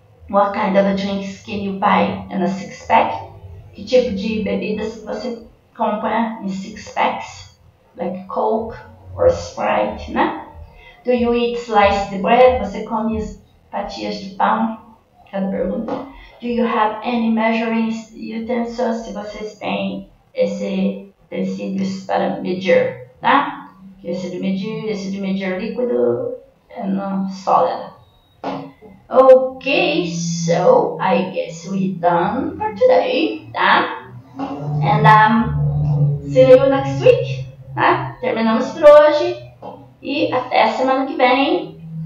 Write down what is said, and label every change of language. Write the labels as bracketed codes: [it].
[en] What kind of drinks can you buy in a six pack? [pt] Que tipo de bebidas você compra em six packs? [en] Like Coke or Sprite, né? Do you eat sliced bread? [pt] Você come as fatias de pão? Cada pergunta. [en] Do you have any measuring utensils? [pt] Se vocês têm esse utensílio para medir, tá? Esse de medir líquido e não sólido. [en] Okay, so I guess we're done for today, tá? And See you next week, tá? [pt] Terminamos por hoje e até semana que vem.